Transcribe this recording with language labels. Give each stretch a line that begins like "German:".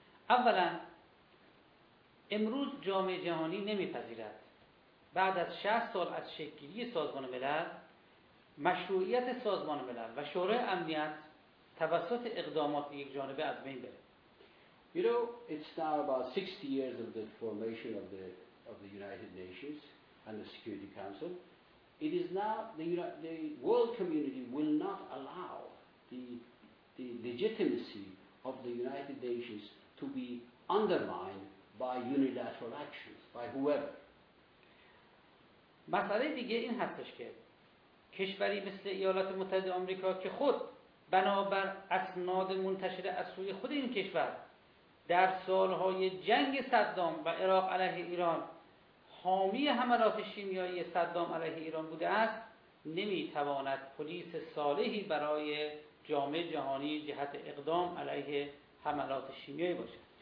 Persian: اولا امروز جامعه جهانی نمیپذیرد بعد از 60 سال از شکل‌گیری سازمان ملل مشروعیت سازمان ملل و شورای امنیت توسط اقدامات یک جانبه از بین بره.
English: You know, it's now about 60 years of the formation of the United Nations and the Security Council. It is now the world community will not allow the legitimacy of the United Nations to be undermined by unilateral actions by whoever.
Persian: مسئله دیگه این هستش که کشوری مثل ایالات متحده آمریکا که خود بنابر اسناد منتشر از سوی خود این کشور در سالهای جنگ صدام و عراق علیه ایران حامی حملات شیمیایی صدام علیه ایران بوده است، نمیتواند پلیس صالحی برای جامعه جهانی جهت اقدام علیه حملات شیمیایی باشد.